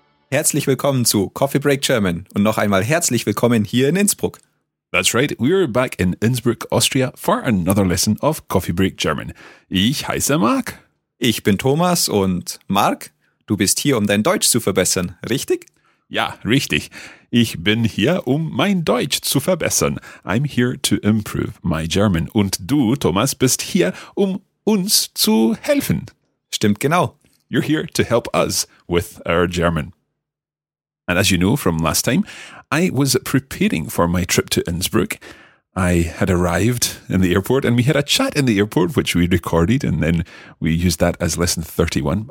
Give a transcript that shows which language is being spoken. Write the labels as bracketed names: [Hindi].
[German] Herzlich willkommen zu Coffee Break German und noch einmal herzlich willkommen hier in Innsbruck. [English] That's right, we're back in Innsbruck, Austria for another lesson of Coffee Break German. [German] Ich heiße Marc. Ich bin Thomas und Marc, du bist hier, um dein Deutsch zu verbessern, richtig? Ja, richtig. Ich bin hier, um mein Deutsch zu verbessern. [English] I'm here to improve my German. [German] Und du, Thomas, bist hier, um uns zu helfen. Stimmt genau. [English] You're here to help us with our German. And as you know from last time, I was preparing for my trip to Innsbruck. I had arrived in the airport and we had a chat in the airport, which we recorded, and then we used that as lesson 31.